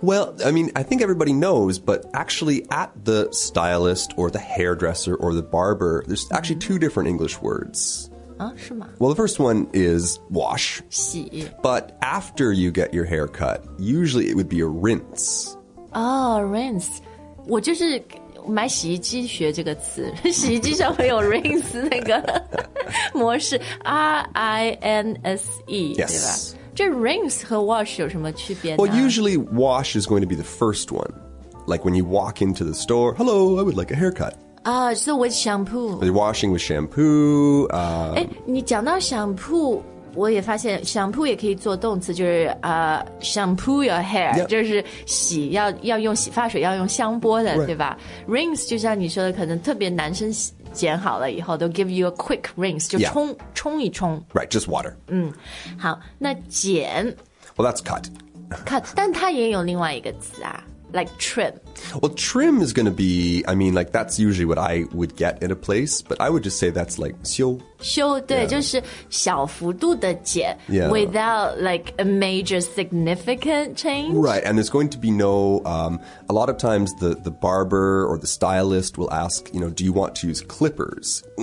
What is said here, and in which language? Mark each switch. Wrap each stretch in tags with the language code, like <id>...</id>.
<en>Well, I mean, I think everybody knows, but actually at the stylist or the hairdresser or the barber, there's actually two different English words. Well, the first one is wash.</en> <zh>洗</zh> <en>But after you get your hair cut, usually it would be a rinse. Oh, rinse.</en> <zh>我就是买洗衣机学这个词。洗衣机上会有 rinse 那个模式。</zh> <en>R-I-N-S-E, yes.</en> <zh>对吧？这 rinse 和 wash 有什么区别呢？</zh> <en>Well, usually wash is going to be the first one. Like when you walk into the store, hello, I would like a haircut. So with shampoo. You're washing with shampoo.</en> <zh>你讲到 shampoo, 我也发现 shampoo 也可以做动词，就是</zh> <en>shampoo your hair,、 yep.</en> <zh>就是洗 要用洗发水，要用香波的、</zh> <en>right.</en> <zh>对吧 ?Rinse, 就像你说的，可能特别男生剪好了以后都</zh> <en>give you a quick rinse,</en> <zh>就冲、</zh> <en>yeah.</en> <zh>冲一冲。</zh> <en>Right, just water.</en> <zh>好，那剪。</zh> <en>Well, that's cut.</en> <zh>Cut, 但它也有另外一个词啊。</zh> <en>Like trim. Well, trim is going to be, I mean, like, that's usually what I would get in a place, but I would just say that's like 修</en> <zh>修对、yeah. 就是小幅度的剪、</zh> <en>yeah. without like a major significant change. Right, and there's going to be no, a lot of times the barber or the stylist will ask, you know, do you want to use clippers?</en>